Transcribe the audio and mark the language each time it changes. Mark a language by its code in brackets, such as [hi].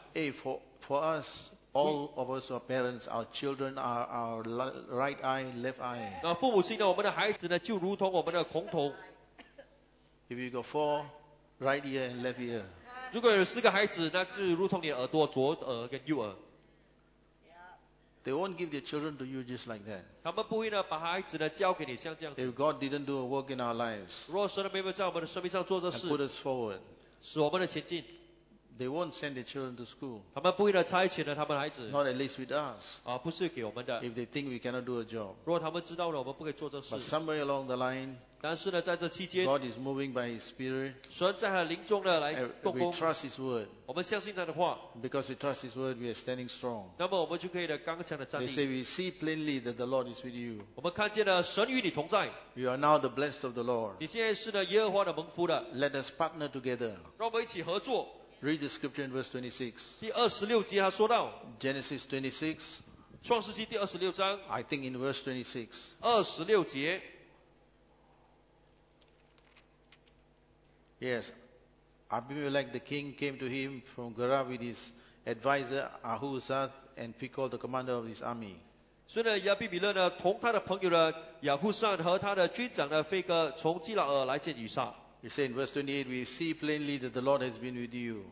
[en] hey, for us, all of us are parents, our children are our right eye, left eye. [zh] 那父母亲呢, 我们的孩子呢, 就如同我们的孔同, [en] if you got four, right ear and left ear. [zh] 如果有四个孩子, 那就如同你耳朵, 左耳跟右耳。 [en] They won't give their children to you just like that. [zh] 他们不会呢, 把孩子呢, 交给你, 像这样子。 [en] If God didn't do a work in our lives, [zh] 若神没有在我们的生命上做这事, [en] and put us forward, [zh] 使我们的前进, [en] they won't send their children to school. [zh] 他们不会呢, [en] not at least with us. [zh] 啊, 不是给我们的, [en] if they think we cannot do a job. [zh] 若他们知道了, [en] but somewhere along the line, [zh] 但是呢, 在这期间, [en] God is moving by His Spirit. [zh] 神在他灵中呢, 来动工, [en] we trust His Word. [zh] 我们相信他的话, [en] because we trust His Word, we are standing strong. [zh] 那么我们就可以呢, [en] they say, we see plainly that the Lord is with you. [zh] 我们看见了, [en] you are now the blessed of the Lord. [zh] 你现在是呢, [en] let us partner together. [zh] 让我们一起合作, [en] read the scripture in verse 26. [zh] 第26节他说到, [en] Genesis 26. [zh] 创世纪第26章, [en] I think in verse 26. [zh] 26节, [en] yes. Abimelech the king came to him from Gerar with his advisor Ahuzath and Phicol the commander of his army. [zh] 所以呢,亚比米勒呢,同他的朋友呢,亚户善和他的军长呢,菲哥从基拉尔来见以撒。 [en] He said in verse 28, we see plainly that the Lord has been with you.